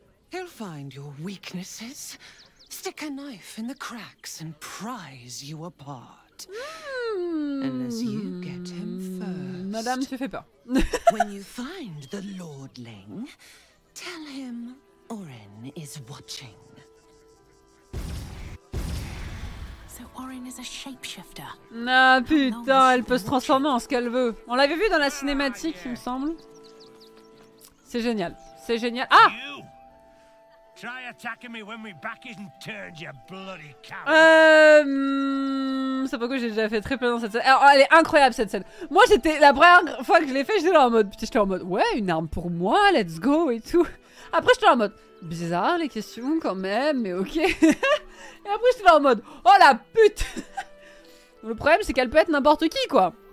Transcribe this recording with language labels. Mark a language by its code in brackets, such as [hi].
[en] He'll find your weaknesses. Stick a knife in the cracks and prize you apart. Unless you get him first. [fr] Madame, tu fais peur. [en] When you find the lordling, tell him Orin is watching. So Orin is a shapeshifter. [fr] Ah putain, elle peut se transformer en ce qu'elle veut. On l'avait vu dans la cinématique, il me semble. C'est génial. C'est génial. Ah! [en] Try attacking me when my back isn't turned, you bloody coward. [fr] C'est pas quoi, j'ai déjà fait très peu dans cette scène. Alors, elle est incroyable cette scène. Moi j'étais, la première fois que je l'ai fait, j'étais là en mode, putain, j'étais en mode, ouais, une arme pour moi, let's go et tout. Après j'étais là en mode, bizarre les questions quand même, mais ok. Et après j'étais là en mode, oh la pute. Le problème c'est qu'elle peut être n'importe qui quoi.